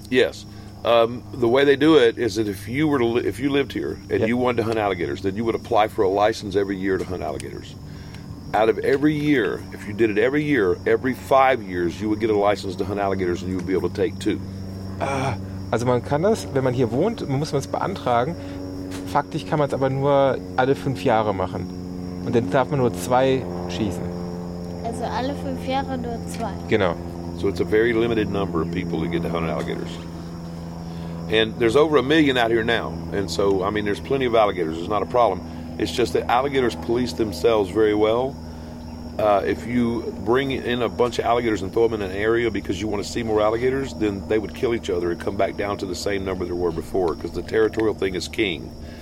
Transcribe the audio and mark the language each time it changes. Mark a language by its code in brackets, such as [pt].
[en] Yes. The way they do it is that if you lived here and you wanted to hunt alligators, then you would apply for a license every year to hunt alligators. Out of every year, if you did it every year, every 5 years, you would get a license to hunt alligators and you would be able to take 2. [de] Also man kann das, wenn man hier wohnt, muss man es beantragen. Faktisch kann man es aber nur alle 5 Jahre machen. Und dann darf man nur 2 schießen. Also alle 5 Jahre nur 2. Genau. [en] So it's a very limited number of people who get to hunt alligators. And there's over 1 million out here now. And so, I mean, there's plenty of alligators. It's not a problem. It's just that alligators police themselves very well. If you bring in a bunch of alligators and throw them in an area because you want to see more alligators, then they would kill each other and come back down to the same number there were before, because the territorial thing is king.